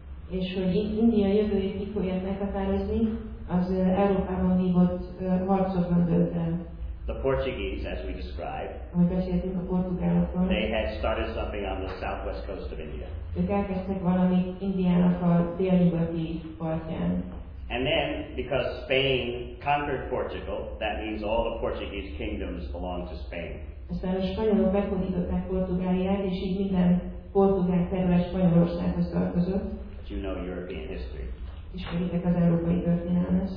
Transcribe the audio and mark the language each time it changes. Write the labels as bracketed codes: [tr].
[hu] És hogy India jövőjét ki fogja meghatározni, az Európában vívott harcokban dőlt el. [en] The Portuguese, as we described, [hu] ahogy beszéltünk a portugálokról, [en] they had started something on the southwest coast of India. [hu] Ők elkezdtek valamit Indiának a délnyugati partján. [en] And then, because Spain conquered Portugal, that means all the Portuguese kingdoms belong to Spain. [hu] Aztán a spanyolok meghódították Portugáliát, és így minden portugál terület Spanyolországhoz tartozott. [en] But you know European history. [hu] Ismeritek az európai történelmet.